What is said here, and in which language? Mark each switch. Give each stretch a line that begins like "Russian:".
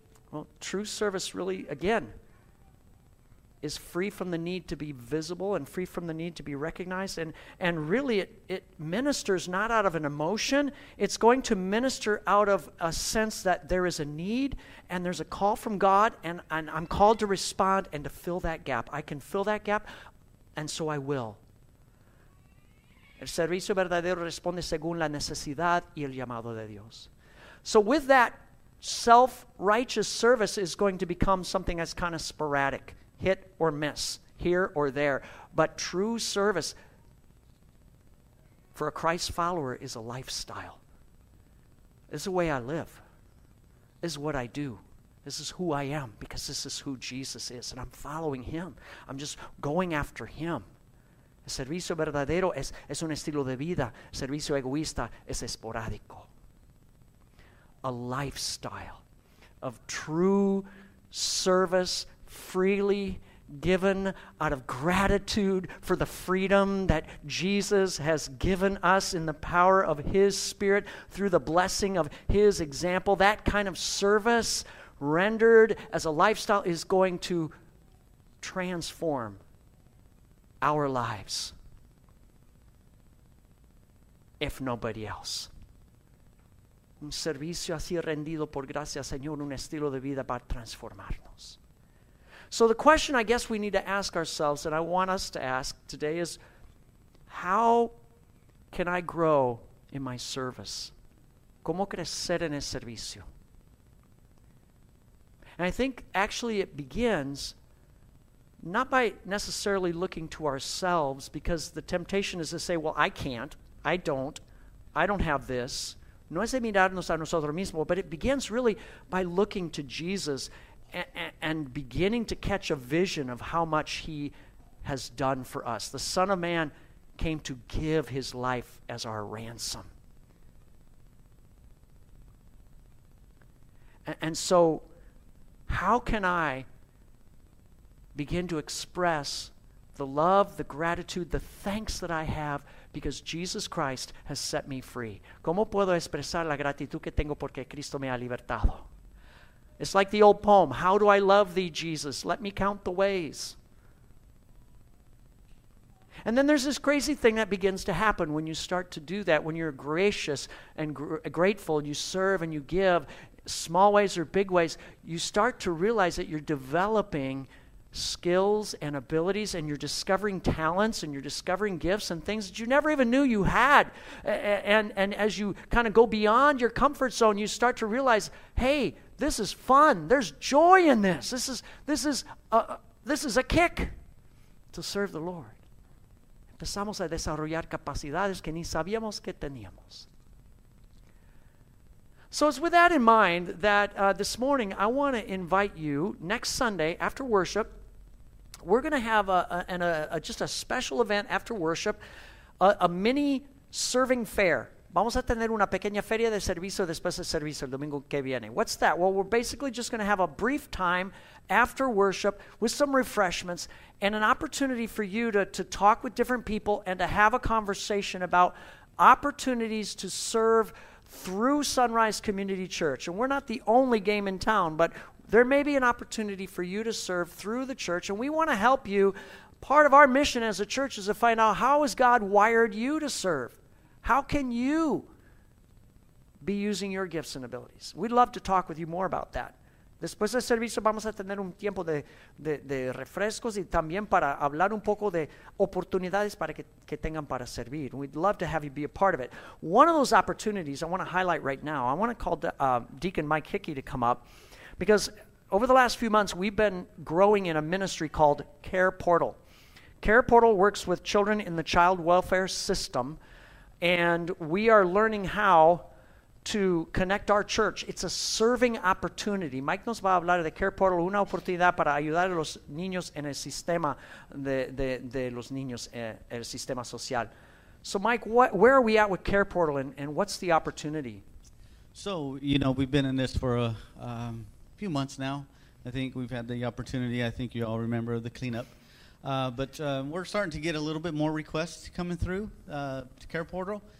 English: Well, true service really, again, is free from the need to be visible and free from the need to be recognized. And really, it ministers not out of an emotion. It's going to minister out of a sense that there is a need and there's a call from God, and I'm called to respond and to fill that gap. I can fill that gap, and so I will.
Spanish: El servicio verdadero responde según la necesidad y el llamado de Dios.
English: So with that, self-righteous service is going to become something that's kind of sporadic, hit or miss, here or there. But true service for a Christ follower is a lifestyle. This is the way I live. This is what I do. This is who I am, because this is who Jesus is, and I'm following him. I'm just going after him.
Spanish: El servicio verdadero es un estilo de vida. El servicio egoísta es esporádico.
English: A lifestyle of true service, freely given out of gratitude for the freedom that Jesus has given us in the power of his Spirit through the blessing of his example. That kind of service rendered as a lifestyle is going to transform our lives, if nobody else.
Spanish: Un servicio así rendido por gracia, Señor, un estilo de vida para transformarnos.
English: So the question I guess we need to ask ourselves, and I want us to ask today, is how can I grow in my service?
Spanish: ¿Cómo crecer en el servicio?
English: And I think actually it begins not by necessarily looking to ourselves, because the temptation is to say, well, I can't, I don't have this,
Spanish: No es de mirarnos a nosotros mismos,
English: but it begins really by looking to Jesus and beginning to catch a vision of how much he has done for us. The Son of Man came to give his life as our ransom. And so, how can I begin to express the love, the gratitude, the thanks that I have because Jesus Christ has set me free?
Spanish: ¿Cómo puedo expresar la gratitud que tengo porque Cristo me ha libertado?
English: It's like the old poem, how do I love thee, Jesus? Let me count the ways. And then there's this crazy thing that begins to happen when you start to do that, when you're gracious and grateful, and you serve and you give, small ways or big ways, you start to realize that you're developing skills and abilities and you're discovering talents and you're discovering gifts and things that you never even knew you had. And as you kind of go beyond your comfort zone, you start to realize, hey, this is fun. There's joy in this. This is a kick to serve the Lord.
Spanish: Empezamos a desarrollar capacidades que ni sabíamos que teníamos.
English: So it's with that in mind that this morning I want to invite you, next Sunday after worship, we're going to have a special event after worship, a mini serving fair.
Spanish: Vamos a tener una pequeña feria de servicio después del servicio el domingo que viene.
English: What's that? Well, we're basically just going to have a brief time after worship with some refreshments and an opportunity for you to talk with different people and to have a conversation about opportunities to serve through Sunrise Community Church. And we're not the only game in town, but there may be an opportunity for you to serve through the church, and we want to help you. Part of our mission as a church is to find out how has God wired you to serve. How can you be using your gifts and abilities? We'd love to talk with you more about that.
Spanish: Después del servicio vamos a tener un tiempo de refrescos y también para hablar un poco de oportunidades para que tengan para servir.
English: We'd love to have you be a part of it. One of those opportunities I want to highlight right now, I want to call Deacon Mike Hickey to come up, because over the last few months we've been growing in a ministry called Care Portal. Care Portal works with children in the child welfare system. And we are learning how to connect our church. It's a serving opportunity.
Spanish: Mike nos va a hablar de Care Portal, una oportunidad para ayudar a los niños en el sistema de los niños, el sistema social.
English: So, Mike, where are we at with Care Portal, and what's the opportunity? So, you know, we've been in this for a few months now. I think we've had the opportunity. I think you all remember the cleanup. But we're starting to get a little bit more requests coming through to Care Portal.